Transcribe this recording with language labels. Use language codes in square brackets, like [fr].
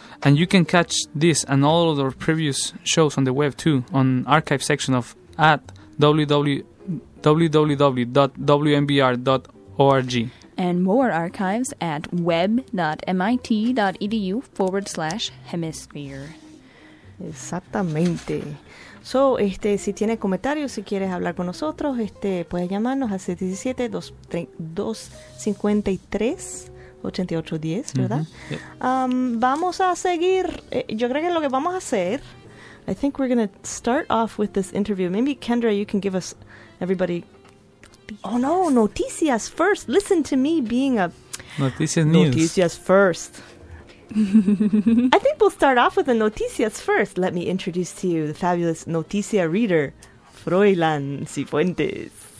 [en] And you can catch this and all of our previous shows on the web, too, on archive section of at www.wmbr.org. And more archives at web.mit.edu/hemisphere. [es] Exactamente. So, si tienes comentarios, si quieres hablar con nosotros, puedes llamarnos al 717-253-8810, ¿verdad? Mm-hmm. Yep. Vamos a seguir. Yo creo que lo que vamos a hacer, [en] I think we're going to start off with this interview. Maybe, Kendra, you can give us everybody... Oh, no, noticias first. Listen to me being a... Noticias news. Noticias first. I think we'll start off with the noticias first. Let me introduce to you the fabulous noticia reader, Froilan Cifuentes.